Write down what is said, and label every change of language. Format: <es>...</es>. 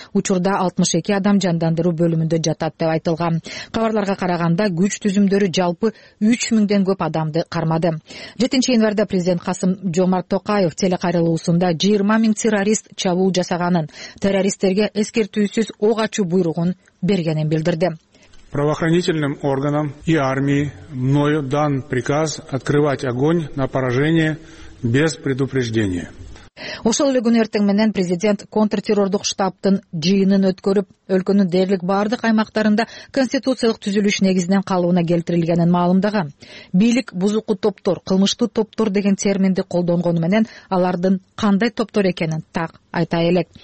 <ky>Учурда 62 адам жандандыруу бөлүмүндө жатат деп айтылган. Кабарларга караганда күч түзүмдөрү жалпы 3000ден көп адамды кармады. 7 январда президент Касым Жомарт Токаев телекайрылуусунда 20000 террорист чабуул жасаганын, террористтерге эскертүүсүз ок ачуу буйругун бергенин билдирди.</ky> <ru>Правоохранительным органам и армии мною дан приказ открывать огонь на поражение без предупреждения.</ru> <ky>Ошол эле күнү эртең менен президент контртеррордук штабтын жыйынын өткөрүп, өлкөнүн дээрлик бардык аймактарында конституциялык түзүлүш негизинен калыбына келтирилгенин маалымдаган. Бийлик бузукту топтор, кылмыштуу топтор деген терминди колдонгону менен алардын кандай топтор экенин так айта элек.</ky>